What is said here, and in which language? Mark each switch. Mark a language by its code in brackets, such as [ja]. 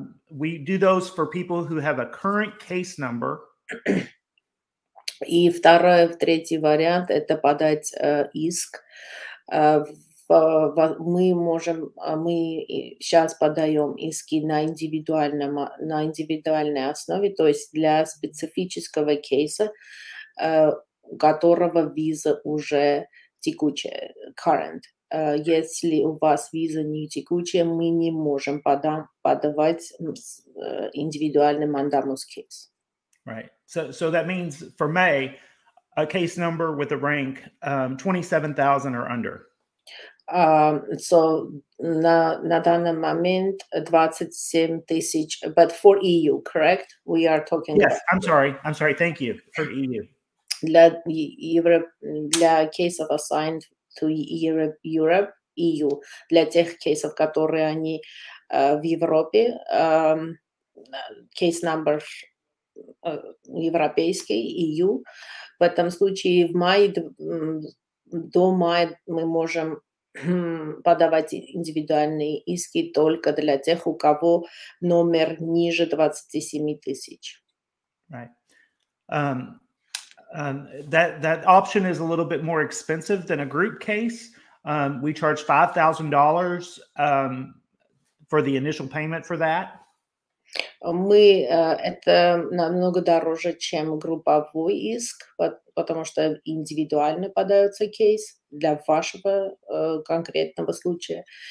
[en] We do those for people who have a current case number. [ru] И второй, третий вариант – это подать иск. Мы сейчас подаем иски на индивидуальной основе, то есть для специфического кейса, у которого виза уже текучая, current. Если у вас виза не текучая, мы не можем подавать индивидуальный мандамус кейс. [en] Right. So that means for May, a case number with a rank 27,000 or under. So, [ru] на данный момент [en] 27,000, but for EU, correct? We are talking. Yes, about... I'm sorry. Thank you. For EU. [ru] Для кейсов [en] assigned to Europe, [ru] EU. Для тех кейсов, которые они в Европе, case number европейский, EU. В этом случае в мае, до мая мы можем подавать индивидуальные иски только для тех, у кого номер ниже 27,000. [en] Right. That option is a little bit more expensive than a group case. We charge $5,000 for the initial payment for that. [ru] Мы это намного дороже, чем групповой иск, потому что индивидуально подается кейс для вашего конкретного случая.